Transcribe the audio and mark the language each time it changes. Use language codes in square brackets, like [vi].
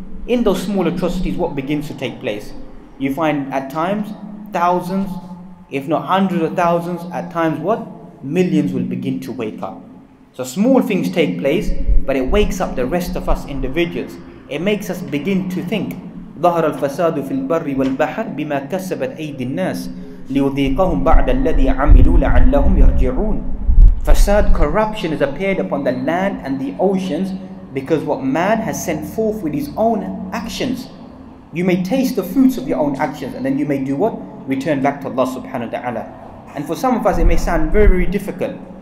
[en] In those small atrocities, what begins to take place? You find at times, thousands, if not hundreds of thousands, at times what? Millions will begin to wake up. So small things take place, but it wakes up the rest of us individuals. It makes us begin to think. [ar] ظهر الفساد في البر والبحر بما كسبت أيدي الناس ليذيقهم بعد الذي عملوا لعلهم يرجعون. [en] Fasad, corruption has appeared upon the land and the oceans because what man has sent forth with his own actions. You may taste the fruits of your own actions and then you may do what? Return back to Allah subhanahu wa ta'ala. And for some of us it may sound very, very difficult.